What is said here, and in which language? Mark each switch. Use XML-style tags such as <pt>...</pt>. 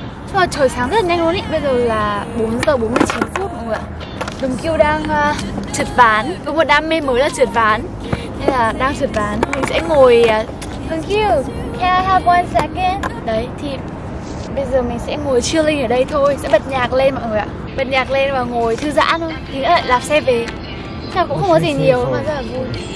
<vi>Nhưng mà trời sáng rất là nhanh luôn ý. Bây giờ là 4:49 mọi người ạ. Đồng Kiêu đang trượt ván. Có một đam mê mới là trượt ván. Nên là đang trượt ván. Mình sẽ ngồi</vi> <en>Đồng Kiêu, can I have one second?</en> <vi>Đấy, thì bây giờ mình sẽ ngồi chilling ở đây thôi. Sẽ bật nhạc lên mọi người ạ. Bật nhạc lên và ngồi thư giãn thôi. Thì lại lạp xe về. Chắc cũng không có gì nhiều mà rất là vui.</vi>